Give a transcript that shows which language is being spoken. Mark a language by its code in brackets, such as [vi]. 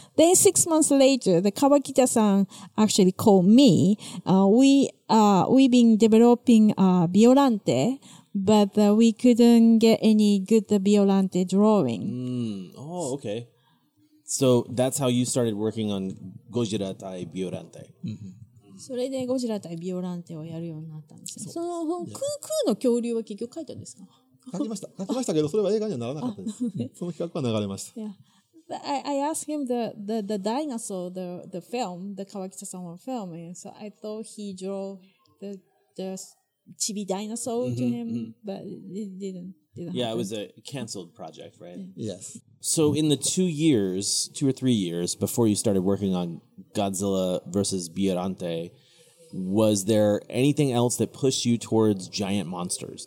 [en] Then 6 months later, the Kawakita-san actually called me. We've been developing Violante, but we couldn't get any good Violante drawing. Mm. Oh, okay. So that's how you started working on Gojira tai Violante. Mm-hmm. [ja] それでゴジラ対ビオランテをやるようになったんですよ。その本、空空の恐竜は結局書いたんですか？書きましたけど、それは映画にはならなかったです。その企画は流れました。 [en] I asked him the dinosaur, the film, the Kawakita-san film, so I thought he drew the chibi dinosaur to him, but it didn't happen. Yeah, it was a canceled project, right? Yeah. Yes. So in the 2 years, 2 or 3 years before you started working on Godzilla versus Biorante, was there anything else that pushed you towards giant monsters?